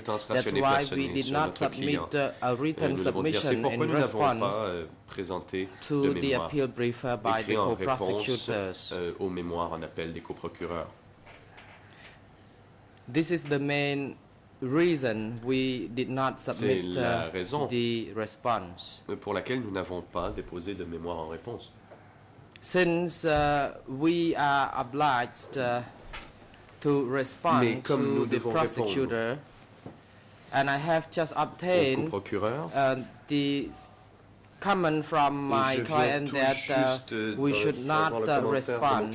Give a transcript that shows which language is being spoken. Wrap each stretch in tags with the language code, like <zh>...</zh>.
<en>That's why we did not submit a written submission in response to the appeal brief by the co-prosecutors. Au mémoire en appel des co-procureurs. This is the main reason we did not submit the response.</en> <fr>Pour laquelle nous n'avons pas déposé de mémoire en réponse.</fr> <en>Since we are obliged to respond to the prosecutor, and I have just obtained the comment from my client that we should not respond</en>